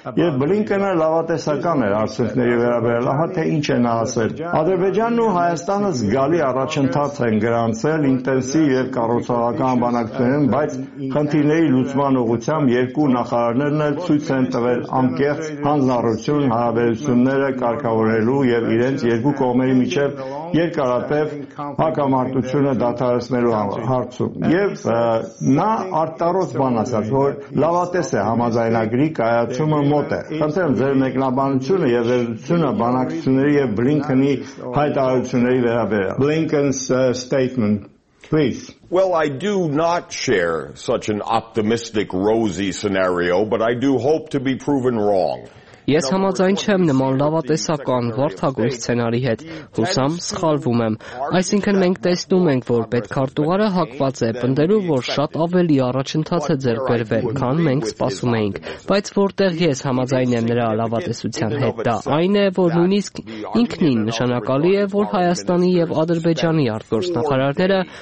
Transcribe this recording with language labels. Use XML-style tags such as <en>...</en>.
<hy>և Բլինքենը լավատեսական էր արդյունքների վերաբերյալ, ահա թե ինչ են ասել, Ադրբեջանն ու Հայաստանը զգալի առաջընթաց են գրանցել ինտենսիվ և կառուցողական բանակցություններում, բայց խնդիրների լուծման ուղղությամբ երկու նախարարներն էլ ցույց են տվել անկեղծ հանձնառություն հարաբերությունները կարգավորելու և իրենց երկու կողմերի միջև երկարատև հակամարտությունը դադարեցնելու հարցում։ Եվ նա արտարոց բան ասաց, որ լավատես է համաձայնագրի կայացումը մոտ է։ Խնդրեմ ձեր մեկնաբանությունը և վերլուծությունը բանակցությունների և Բլինքենի հայտարարությունների վերաբերյալ։</hy> <en>Blinken's statement. Please. Well, I do not share such an optimistic, rosy scenario, but I do hope to be proven wrong.</en> <hy>Ես համաձայն չեմ նման լավատեսական վարդագույն սցենարի հետ, հուսամ սխալվում եմ, այսինքն մենք տեսնում ենք, որ պետքարտուղարը հակված է պնդելու, որ շատ ավելի առաջընթաց է ձեռք բերվել, քան մենք սպասում էինք, բայց որտեղ ես համաձայն եմ նրա լավատեսության հետ, դա այն է, որ նույնիսկ ինքնին նշանակալի է, որ Հայաստանի և Ադրբեջանի արտգործնախարարները</hy>